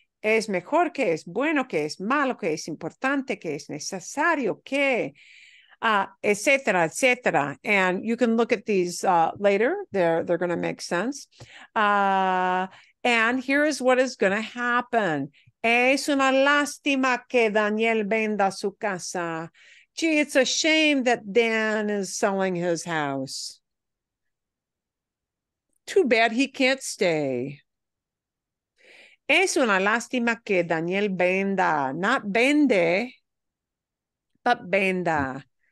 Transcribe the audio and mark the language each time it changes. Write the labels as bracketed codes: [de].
[es] Es mejor que, es bueno que, es malo que, es importante que, es necesario que, et cetera, et cetera. [en] And you can look at these later. They're going to make sense. And here is what is going to happen. [es] Es una lástima que Daniel venda su casa. [en] Gee, it's a shame that Dan is selling his house. Too bad he can't stay. [es] Es una lástima que Daniel venda. [en] Not vende, but venda.